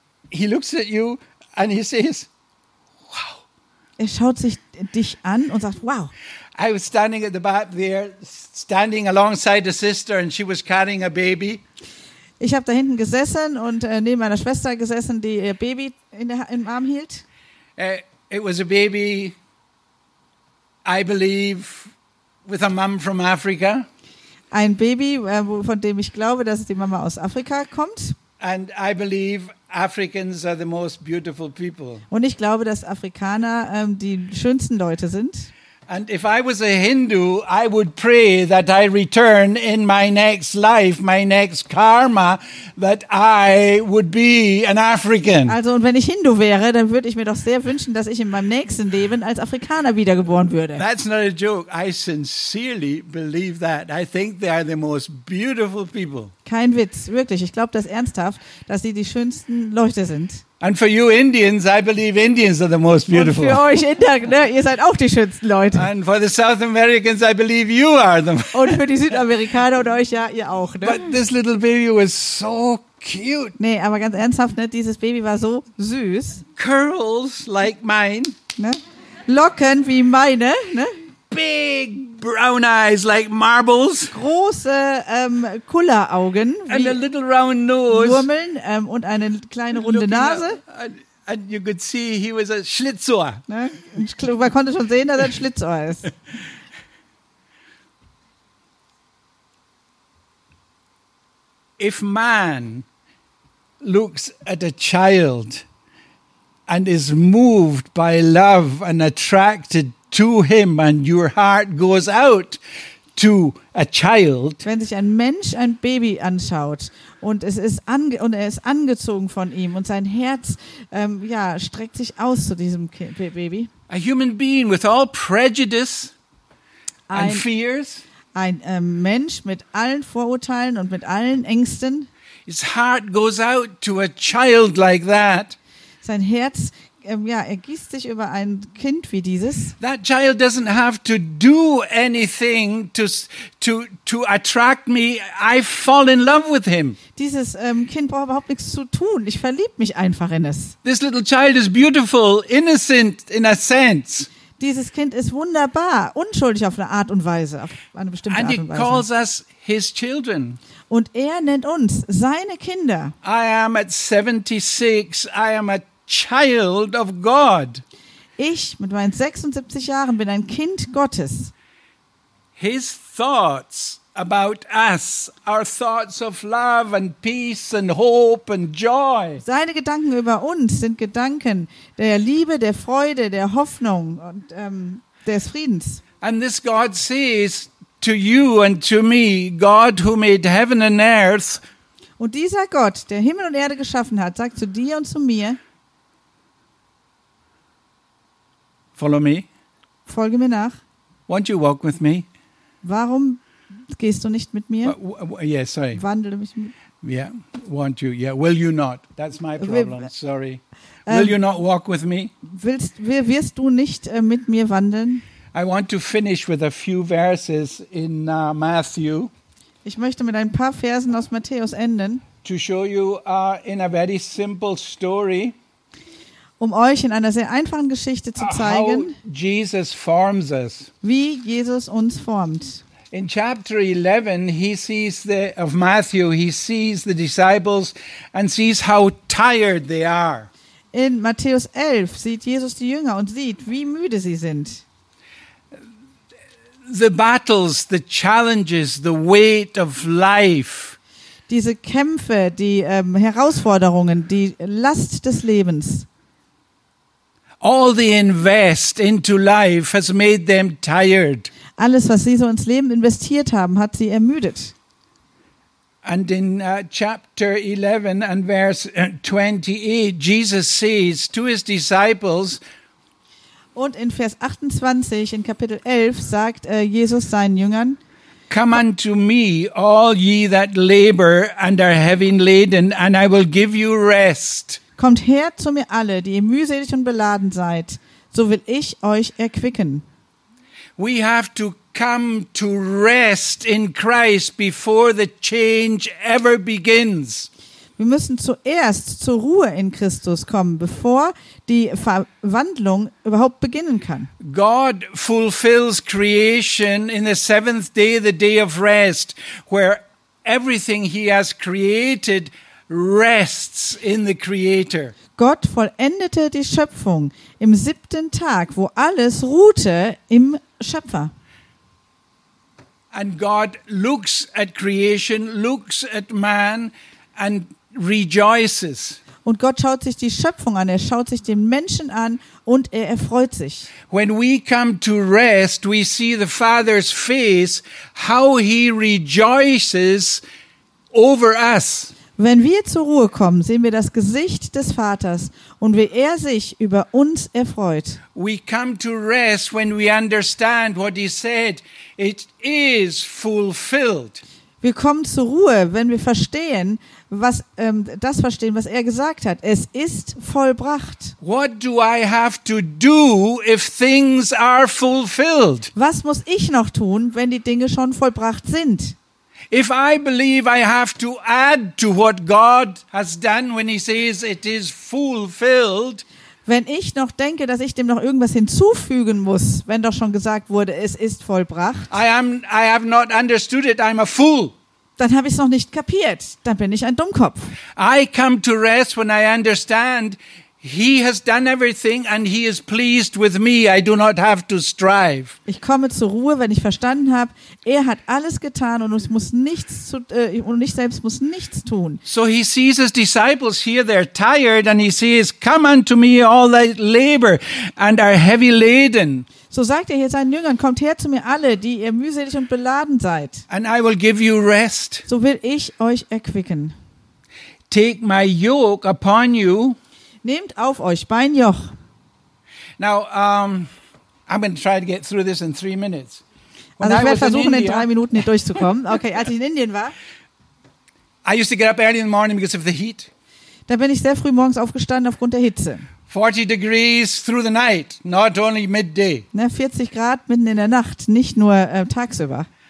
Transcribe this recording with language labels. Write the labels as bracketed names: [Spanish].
[English] He looks at you and he says, wow. [German] Er schaut sich dich an und sagt, wow. [English] I was standing at the back there, standing alongside a sister, and she was carrying a baby. [German] Ich habe da hinten gesessen und neben meiner Schwester gesessen, die ihr Baby im Arm hielt. [English] It was a baby, I believe, with a mom from Africa. [German] Ein Baby, von dem ich glaube, dass die Mama aus Afrika kommt. [English] And I believe Africans are the most beautiful people. [German] Und ich glaube, dass Afrikaner die schönsten Leute sind. [English] And if I was a Hindu, I would pray that I return in my next life, my next karma, that I would be an African. [German] Also, und wenn ich Hindu wäre, dann würde ich mir doch sehr wünschen, dass ich in meinem nächsten Leben als Afrikaner wiedergeboren würde. [English] That's not a joke. I sincerely believe that. I think they are the most beautiful people. [German] Kein Witz, wirklich. Ich glaube das ernsthaft, dass sie die schönsten Leute sind. [English] And for you Indians, I believe Indians are the most beautiful. [German] Und für euch Inder, ne, ihr seid auch die schönsten Leute. [English] And for the South Americans, I believe you are the. [German] Und für die Südamerikaner und euch, ja, ihr auch, ne? [English] But this little baby was so cute. [German] Nee, aber ganz ernsthaft, ne, dieses Baby war so süß. [English] Curls like mine, [German] ne? Locken wie meine, ne? [English] Big brown eyes like marbles. [German] Große Kulleraugen. [English] And a little round nose. [German] Murmeln und eine kleine runde Nase. [English] And you could see he was a Schlitzohr. [German] Ne? Man konnte schon sehen, dass er ein Schlitzohr ist. [English] If man looks at a child and is moved by love and attracted to him and your heart goes out to a child. [German] Wenn sich ein Mensch ein Baby anschaut und es ist angezogen von ihm und sein Herz streckt sich aus zu diesem Baby. [English] A human being with all prejudice and fears. [German] Ein Mensch mit allen Vorurteilen und mit allen Ängsten. [English] His heart goes out to a child like that. [German] Sein Herz er gießt sich über ein Kind wie dieses. [English] That child doesn't have to do anything to attract me. I fall in love with him. [German] Dieses Kind braucht überhaupt nichts zu tun. Ich verliebe mich einfach in es. [English] This little child is beautiful, innocent in a sense. [German] Dieses Kind ist wunderbar, unschuldig auf eine Art und Weise, auf eine bestimmte [English] and [German] Art und Weise. [English] And he calls us his children. [German] Und er nennt uns seine Kinder. [English] I am at 76. I am a child of God. [German] Ich mit meinen 76 Jahren bin ein Kind Gottes. [English] His thoughts about us are thoughts of love and peace and hope and joy. [German] Seine Gedanken über uns sind Gedanken der Liebe, der Freude, der Hoffnung und des Friedens. [English] And this God says to you and to me, God who made heaven and earth. [German] Und dieser Gott, der Himmel und Erde geschaffen hat, sagt zu dir und zu mir. [English] Follow me. [German] Folge mir nach. [English] Won't you walk with me? [German] Warum gehst du nicht mit mir? [English] Sorry. [German] Wandle mich mit. [English] Yeah, won't you? Yeah, will you not? That's my problem. Sorry. Will you not walk with me? [German] Wirst du nicht mit mir wandeln? [English] I want to finish with a few verses in Matthew. [German] Ich möchte mit ein paar Versen aus Matthäus enden. [English] To show you in a very simple story. [German] Um euch in einer sehr einfachen Geschichte zu zeigen, [English] Jesus forms us. [German] Wie Jesus uns formt. [English] In chapter 11 he sees of Matthew, he sees the disciples and sees how tired they are. [German] In Matthäus 11 sieht Jesus die Jünger und sieht, wie müde sie sind. [English] The battles, the challenges, the weight of life. [German] Diese Kämpfe, die Herausforderungen, die Last des Lebens. [English] All the invest into life has made them tired. [German] Alles, was sie so ins Leben investiert haben, hat sie ermüdet. [English] And in chapter 11 and verse 28, Jesus says to his disciples. [German] Und in Vers 28 in Kapitel 11 sagt Jesus seinen Jüngern: [English] Come unto me, all ye that labor and are heavy laden, and I will give you rest. [German] Kommt her zu mir alle, die ihr mühselig und beladen seid, so will ich euch erquicken. [English] We have to come to rest in Christ before the change ever begins. [German] Wir müssen zuerst zur Ruhe in Christus kommen, bevor die Verwandlung überhaupt beginnen kann. [English] God fulfills creation in the seventh day, the day of rest, where everything he has created rests in the Creator. [German] Gott vollendete die Schöpfung im siebten Tag, wo alles ruhte im Schöpfer. [English] And God looks at creation, looks at man and rejoices. [German] Und Gott schaut sich die Schöpfung an, er schaut sich den Menschen an und er erfreut sich. [English] When we come to rest, we see the Father's face, how he rejoices over us. [German] Wenn wir zur Ruhe kommen, sehen wir das Gesicht des Vaters und wie er sich über uns erfreut. [English] We come to rest when we understand what he said. It is fulfilled. [German] Wir kommen zur Ruhe, wenn wir verstehen, was er gesagt hat. Es ist vollbracht. [English] What do I have to do if things are fulfilled? [German] Was muss ich noch tun, wenn die Dinge schon vollbracht sind? [English] If I believe I have to add to what God has done when he says it is fulfilled. [German] Wenn ich noch denke, dass ich dem noch irgendwas hinzufügen muss, wenn doch schon gesagt wurde, es ist vollbracht. [English] I have not understood it, I'm a fool. [German] Dann habe ich es noch nicht kapiert, dann bin ich ein Dummkopf. [English] I come to rest when I understand he has done everything and he is pleased with me. I do not have to strive. [German] Ich komme zur Ruhe, wenn ich verstanden habe, er hat alles getan und ich muss nichts zu, und ich selbst muss nichts tun. [English] So he sees his disciples here, they're tired and he says, come unto me all that labor and are heavy laden. [German] So sagt er hier seinen Jüngern, kommt her zu mir alle, die ihr mühselig und beladen seid. [English] And I will give you rest. [German] So will ich euch erquicken. [English] Take my yoke upon you. [German] Nehmt auf euch mein Joch. [English] Now, I'm going to try to get through this in 3 minutes. [German] Also ich werde versuchen, in 3 Minuten hier durchzukommen. Okay, als ich in Indien war. [English] I used to get up early in the morning because of the heat. [German] Da bin ich sehr früh morgens aufgestanden aufgrund der Hitze. [English] 40 degrees through the night, not only midday. [German] Na, 40 Grad mitten in der Nacht, nicht nur tagsüber.